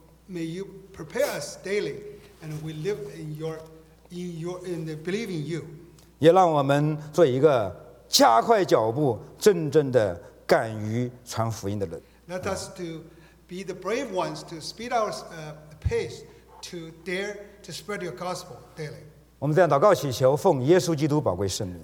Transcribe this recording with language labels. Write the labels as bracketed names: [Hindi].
[English] May you prepare us daily, and we live in your in the believing you. [Chinese] 也让我们做一个加快脚步，真正的敢于传福音的人。 [English] Let us to be the brave ones to speed our pace to dare to spread your gospel daily. [Chinese] 我们这样祷告祈求，奉耶稣基督宝贵圣名。